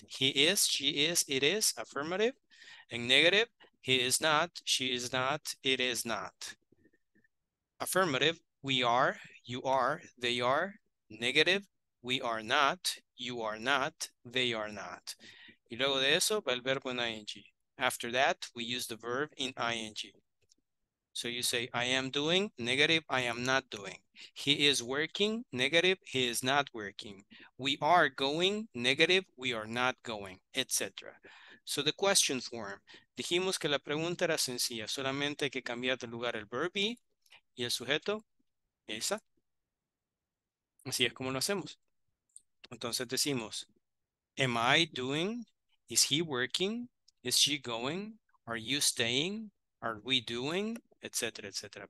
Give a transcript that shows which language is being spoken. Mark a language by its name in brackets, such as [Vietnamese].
[English] He is, she is, it is, affirmative. And negative, he is not, she is not, it is not. Affirmative, we are, you are, they are. Negative, we are not, you are not, they are not. [Spanish] Y luego de eso, va el verbo en ing. [English] After that, we use the verb in ing. So you say, I am doing, negative, I am not doing. He is working, negative, he is not working. We are going, negative, we are not going, etc. So the question form. [Spanish] Dijimos que la pregunta era sencilla, solamente hay que cambiar de lugar el [English] verb be [Spanish] y el sujeto, esa. Así es como lo hacemos. Entonces decimos, [English] am I doing? Is he working? Is she going? Are you staying? Are we doing? [Spanish] Etcétera, etcétera.